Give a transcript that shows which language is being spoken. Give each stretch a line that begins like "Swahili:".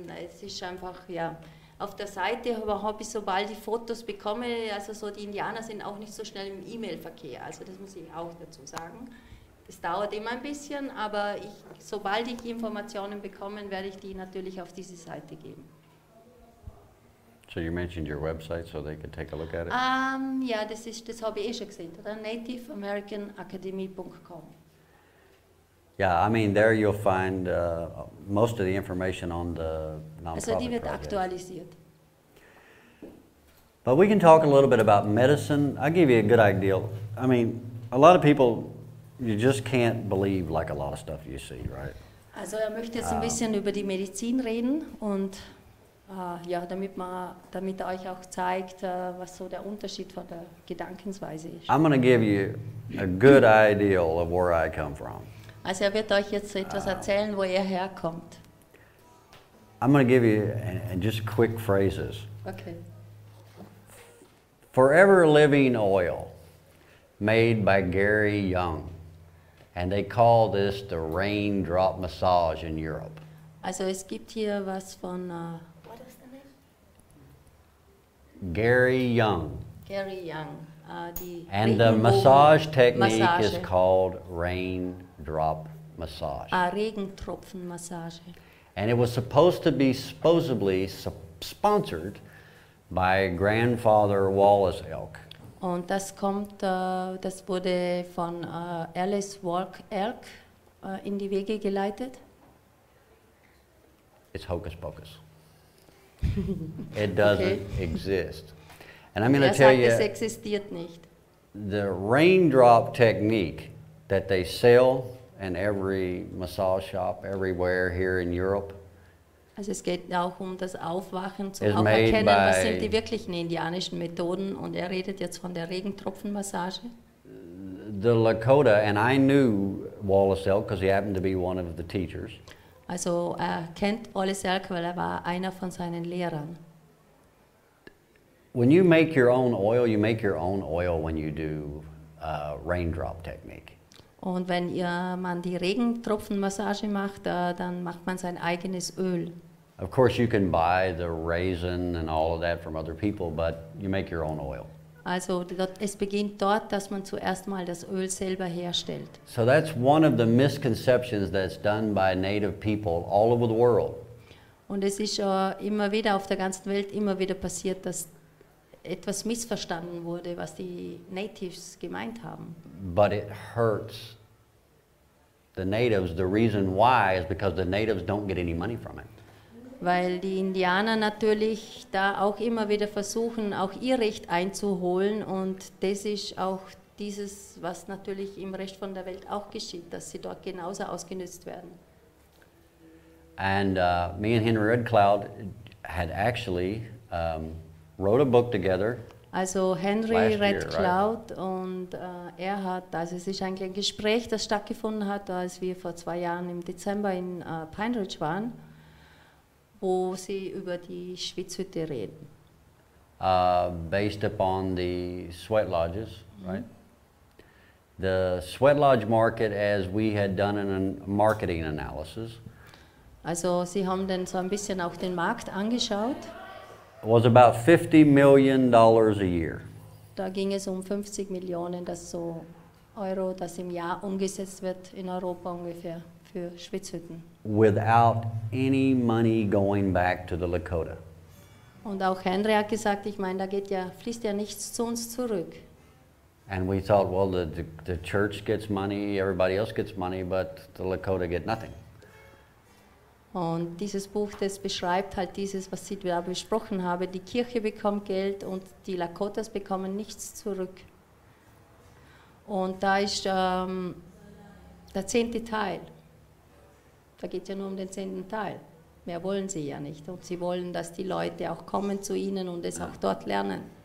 German: Es ist einfach, ja, auf der Seite habe ich sobald die Fotos bekomme, also so die Indianer sind auch nicht so schnell im E-Mail-Verkehr, also das muss ich auch dazu sagen. Das dauert immer ein bisschen, aber ich, sobald ich Informationen bekomme, werde ich die natürlich auf diese Seite geben.
English: So you mentioned your website, so they could take a look at it?
German: Ja, das habe ich eh schon gesehen, oder?
English: NativeAmericanAcademy.com. Yeah, I mean, there you'll find most of the information on the nonprofit
German: project. Also, die wird
English: project.
German: Aktualisiert.
English: But we can talk a little bit about medicine. I'll give you a good idea. I mean, a lot of people, you just can't believe like a lot of stuff you see, right?
German: Also, möchte jetzt ein bisschen über die Medizin reden und ja, damit euch auch zeigt, was so der Unterschied von der Gedankensweise ist.
English: I'm going to give you a good idea of where I come from.
German: Also er wird euch jetzt etwas erzählen, wo er herkommt.
English: I'm going to give you just quick phrases. Okay. Forever living oil made by Gary Young. And they call this the raindrop massage in Europe.
German: Also es gibt hier was von Gary Young. Gary Young.
English: And the massage technique is called raindrop massage.
German: Regentropfenmassage.
English: And it was supposed to be supposedly sponsored by grandfather Wallace Elk.
German: Und das kommt, das wurde von Alice Walk Elk in die Wege geleitet.
English: It's hocus pocus. It doesn't exist. And I'm going to tell you,
German: es existiert nicht.
English: The raindrop technique that they sell in every massage shop everywhere here in Europe.
German: Also es geht auch um das Aufwachen, zu auch erkennen, was sind die wirklichen indianischen Methoden. Und redet jetzt von der Regentropfenmassage.
English: The Lakota, and I knew Wallace Elk because he happened to be one of the teachers.
German: Also er kennt Wallace Elk, weil er war einer von seinen Lehrern.
English: When you make your own oil, you make your own oil when you do raindrop technique.
German: Und wenn man die Regentropfenmassage macht, dann macht man sein eigenes Öl.
English: Of course you can buy the resin and all of that from other people, but you make your own oil.
German: Also es beginnt dort, dass man zuerst mal das Öl selber herstellt.
English: So that's one of the misconceptions that's done by native people all over the world.
German: Und es ist immer wieder auf der ganzen Welt immer wieder passiert, dass etwas missverstanden wurde, was die Natives gemeint haben.
English: But it hurts the natives. The reason why is because the natives don't get any money from it.
German: Weil die Indianer natürlich da auch immer wieder versuchen, auch ihr Recht einzuholen, und das ist auch dieses, was natürlich im Rest von der Welt auch geschieht, dass sie dort genauso ausgenutzt werden.
English: And me and Henry Red Cloud had actually wrote a book together.
German: Also Henry Red Cloud,
English: right?
German: Und er hat, also es ist eigentlich ein Gespräch, das stattgefunden hat, als wir vor 2 Jahren im Dezember in Pine Ridge waren, wo sie über die Schwitzhütte reden.
English: Based upon the sweat lodges, right? The sweat lodge market, as we had done in a marketing analysis.
German: Also sie haben dann so ein bisschen auch den Markt angeschaut.
English: Was about $50 million a year.
German: Da ging es um 50 Millionen, das so Euro, das im Jahr umgesetzt wird in Europa ungefähr für Schwitzhütten.
English: Without any money going back to the Lakota.
German: Und auch Henry hat gesagt, ich meine, da geht ja, fließt ja nichts zu uns zurück.
English: And we thought, well, the church gets money, everybody else gets money, but the Lakota get nothing.
German: Und dieses Buch, das beschreibt halt dieses, was ich da besprochen habe. Die Kirche bekommt Geld und die Lakotas bekommen nichts zurück. Und da ist der 10. Teil. Da geht es ja nur um den 10. Teil. Mehr wollen sie ja nicht. Und sie wollen, dass die Leute auch kommen zu ihnen und es auch dort lernen.